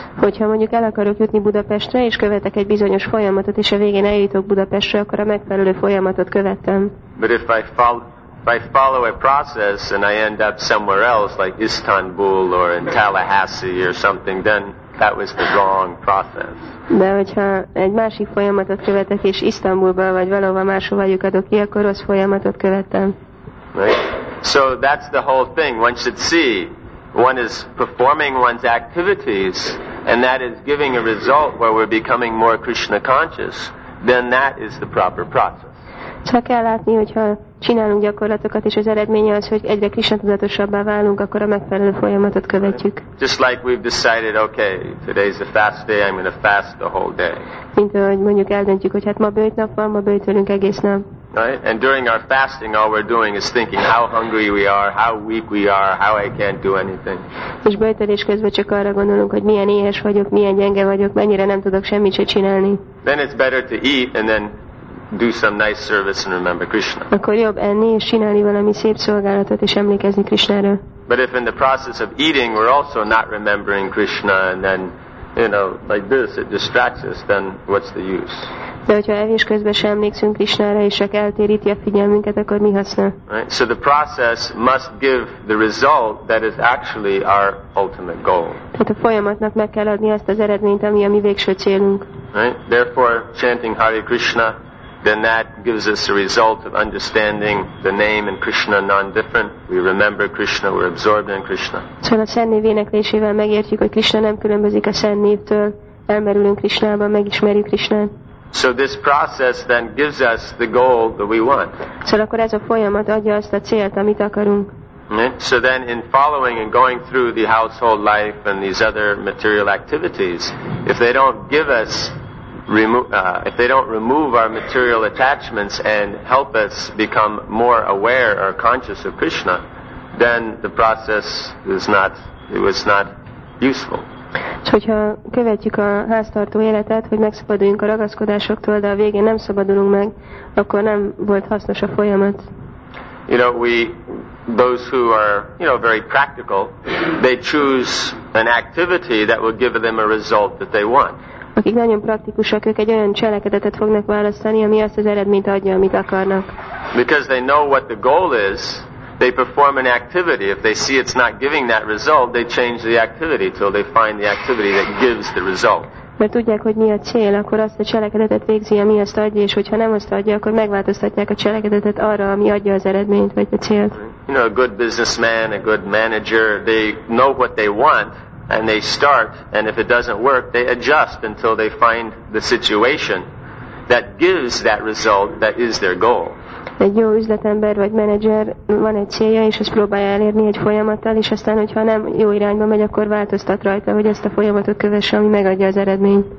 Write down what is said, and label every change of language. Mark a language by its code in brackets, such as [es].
[hu] Hogyha mondjuk el akarok jutni Budapestre, és követek egy bizonyos folyamatot, és a végén eljutok Budapestre, akkor a megfelelő folyamatot követtem. [en] But if I follow a process and I end up somewhere else, like Istanbul or in Tallahassee or something, then that was the wrong process. [hu] De hogyha egy másik folyamatot követek, és Isztambulba vagy valahova máshova jutok ki, akkor rossz folyamatot követtem. [en] Right? So that's the whole thing. One should see, one is performing one's activities, and that is giving a result where we're becoming more Krishna conscious, then that is the proper process. [hu] Csak kell látni, hogyha csinálunk gyakorlatokat, és az eredménye az, hogy egyre Krishna tudatosabbá válunk, akkor a megfelelő folyamatot követjük. [en] Just like we've decided, okay, today's a fast day, I'm going to fast the whole day. [hu] Mint ahogy mondjuk eldöntjük, hogy hát ma bőjt nap van, ma bőjtölünk egész nap. [en] Right? And during our fasting, all we're doing is thinking how hungry we are, how weak we are, how I can't do anything. [hu] És bőjtölés közben csak arra gondolunk, hogy milyen éhes vagyok, milyen gyenge vagyok, mennyire nem tudok semmit se csinálni. [en] Then it's better to eat and then do some nice service and remember Krishna. [hu] Akkor jobb enni és csinálni valami szép szolgálatot és emlékezni Krishnára. [en] But if in the process of eating we're also not remembering Krishna and then, you know, like this, it distracts us, then what's the use? [hu] De hogyha evés közben sem emlékszünk Krishnára, és csak eltéríti a figyelmünket, akkor mi haszna? [en] Right? So the process must give the result that is actually our ultimate goal. [hu] Tehát a folyamatnak meg kell adni azt az eredményt, ami a mi végső célunk. [en] Right? Therefore, chanting Hare Krishna, then that gives us a result of understanding the name and Krishna non-different. We remember Krishna, we're absorbed in Krishna. [hu] Szóval a szent név éneklésével megértjük, hogy Krishna nem különbözik a szent névtől, elmerülünk Krishnába, megismerjük Krishnát. [en] So this process then gives us the goal that we want. [hu] Szóval akkor ez a folyamat adja azt a célt, amit akarunk. [en] So then in following and going through the household life and these other material activities, if they don't give us, if they don't remove our material attachments and help us become more aware or conscious of Krishna, then the process is not, it was not useful. [hu] És hogyha követjük a háztartó életet, hogy megszabaduljunk a ragaszkodásoktól, de a végén nem szabadulunk meg, akkor nem volt hasznos a folyamat. [en] You know, we, those who are, you know, very practical, they choose an activity that will give them a result that they want. [hu] Akik nagyon praktikusak, ők egy olyan cselekedetet fognak választani, ami azt az eredményt adja, amit akarnak. [en] Because they know what the goal is, they perform an activity. If they see it's not giving that result, they change the activity till they find the activity that gives the result. [hu] Mert tudják, hogy mi a cél, akkor azt a cselekedetet végzi, ami azt adja, és hogyha nem azt adja, akkor megváltoztatják a cselekedetet arra, ami adja az eredményt, vagy a célt. [en] You know, a good businessman, a good manager, they know what they want, and they start, and if it doesn't work, they adjust until they find the situation that gives that result that is their goal. [hu] Egy jó üzletember vagy menedzser van egy célja, és ezt próbálja elérni egy folyamattal, és aztán, hogyha nem jó irányba megy, akkor változtat rajta, hogy ezt a folyamatot kövesse, ami megadja az eredményt.